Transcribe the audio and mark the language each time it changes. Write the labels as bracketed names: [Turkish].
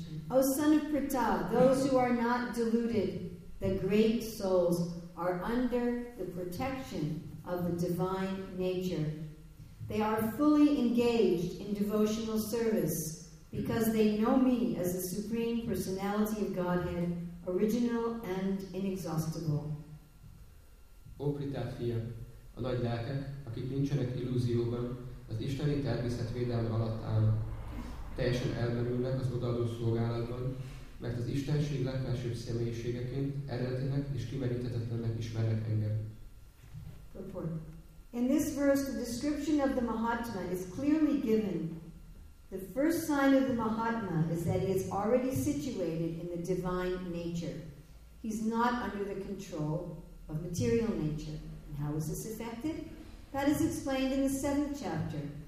[English] O son of Pritha, those who are not deluded, the great souls, are under the protection of the divine nature. They are fully engaged in devotional service because they know me as the Supreme Personality of Godhead, original and inexhaustible. [Hungarian] O Pritha fia, a nagy lelkek, akik nincsenek illúzióban, az isteni természet védelme alatt állnak. Teljesen elmerülnek az odaadó szolgálatban, mert az Istenség legfelsőbb személyiségeként eredetének és kimeríthetetlennek ismernek engem. [English] In this verse, the description of the Mahatma is clearly given. The first sign of the Mahatma is that he is already situated in the divine nature. He's not under the control of material nature. And how is this affected? That is explained in the 7th chapter.